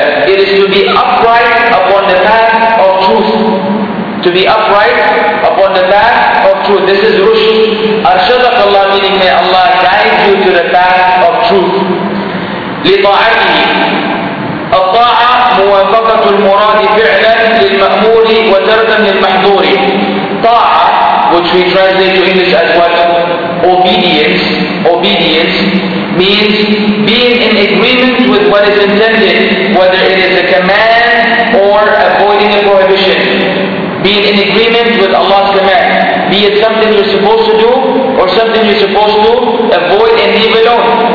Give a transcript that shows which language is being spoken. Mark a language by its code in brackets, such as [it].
[en] It is to be upright upon the path of truth. To be upright upon the path of truth. This is rush. [ar] أرشدك الله, [en] meaning may Allah guide you to the path of truth. [ar] لطاعته. الطاعة موافقة المراد فعلا للمأمور وتركا للمحظور. [en] طاعة, which we translate to English as what? Obedience. Obedience means being in agreement with what is intended, whether it is a command or avoiding a prohibition. Being in agreement with Allah's command, be it something you're supposed to do or something you're supposed to avoid and leave alone.